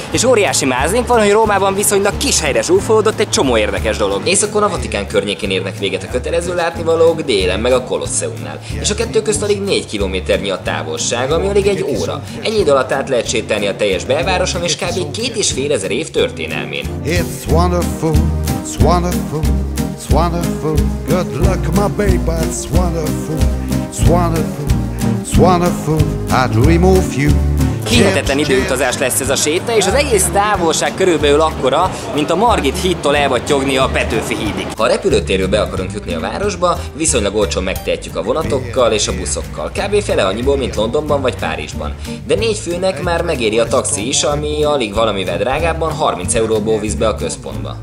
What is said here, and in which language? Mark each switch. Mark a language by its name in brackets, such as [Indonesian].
[Hungarian] És óriási mázink van, hogy Rómában viszonylag kis helyre zsúfolódott egy csomó érdekes dolog. Északon a Vatikán környékén érnek véget a kötelező látnivalók, délen meg a Kolosseumnál. És a kettő közt alig 4 kilométernyi a távolság, ami alig egy óra. Ennyi idő alatt át lehet sétálni a teljes belvároson és kb. 2500 év történelmén. [English] It's wonderful, it's wonderful, it's wonderful, good luck my baby, it's wonderful, it's wonderful, it's wonderful, I dream of you. [Hungarian] Hihetetlen időutazás lesz ez a séta, és az egész távolság körülbelül akkora, mint a Margit hídtól elvattyogni a Petőfi hídig. Ha a repülőtérről be akarunk jutni a városba, viszonylag olcsón megtehetjük a vonatokkal és a buszokkal, kb. Fele annyiból, mint Londonban vagy Párizsban. De négy főnek már megéri a taxi is, ami alig valamivel drágábban 30 euróból visz be a központba.